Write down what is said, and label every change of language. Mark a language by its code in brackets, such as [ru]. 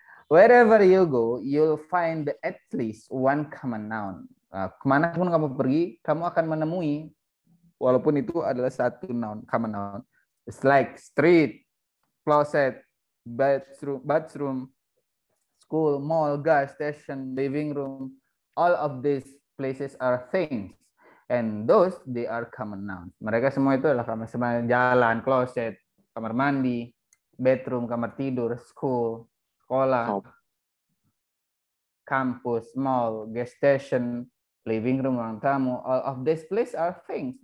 [en] Wherever you go, you'll find at least one common noun. [id] Kemana pun kamu pergi, kamu akan menemui, walaupun itu adalah satu noun, common noun. [en] It's like street, closet, bathroom, school, mall, gas station, living room, all of these places are things, and those they are common nouns. [id] Mereka semua itu adalah kamar semuanya, jalan, closet, kamar mandi, bedroom, kamar tidur, school, sekolah, shop, kampus, mall, gas station, living room, ruang tamu, [en] all of these places are things.